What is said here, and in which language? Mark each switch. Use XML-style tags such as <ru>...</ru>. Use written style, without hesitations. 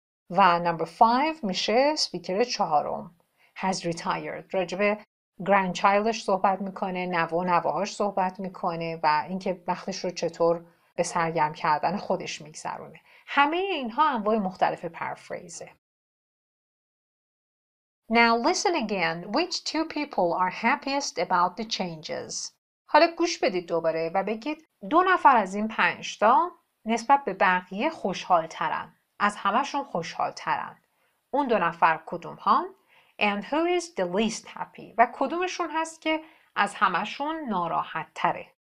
<fa>و نمبر 5 میشه سپیکر چهارم.</fa> <en>has retired.</en> <fa>راجبه گرندچایلدش صحبت میکنه، نوه و نوهاش صحبت میکنه و اینکه وقتش رو چطور به سرگرم کردن خودش میگذرونه. همه اینها انواع مختلف پرفریزه.</fa> <en>Now listen again. Which two people are happiest about the changes?</en> <fa>حالا گوش بدید دوباره و بگید دو نفر از این 5 تا نسبت به بقیه خوشحال ترن. از همشون خوشحال ترن. اون دو نفر کدوم هان؟</fa> <en>And who is the least happy?</en> <fa>و کدومشون هست که از همشون ناراحت تره؟</fa>